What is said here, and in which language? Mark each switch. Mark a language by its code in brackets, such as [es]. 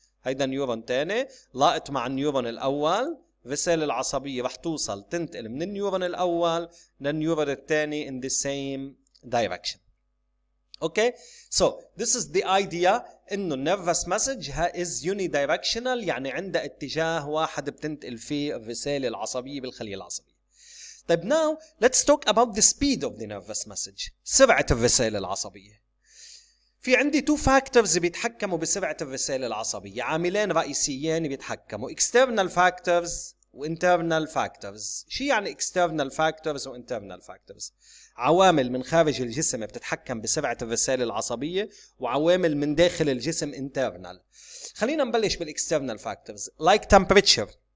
[ar] هيدا نيورون تاني لاقت مع النيورون الأول الرسالة العصبية رح توصل تنتقل من النيورون الأول للنيورون الثاني [en] in the same direction. Okay? So, this is the idea [ar] إنه [en] nervous message is unidirectional [ar] يعني عندها اتجاه واحد بتنتقل فيه الرسالة العصبية بالخلية العصبية. طيب [en] now, let's talk about the speed of the nervous message. [ar] سرعة الرسالة العصبية. في عندي [en] two factors [ar] بيتحكموا بسرعة الرسالة العصبية. عاملين رئيسيين بيتحكموا. [en] External factors [ar] وinternal factors شو يعني external factors وinternal factors عوامل من خارج الجسم بتتحكم بسرعة الرسالة العصبية وعوامل من داخل الجسم internal خلينا نبلش بال [en] external factors like temperature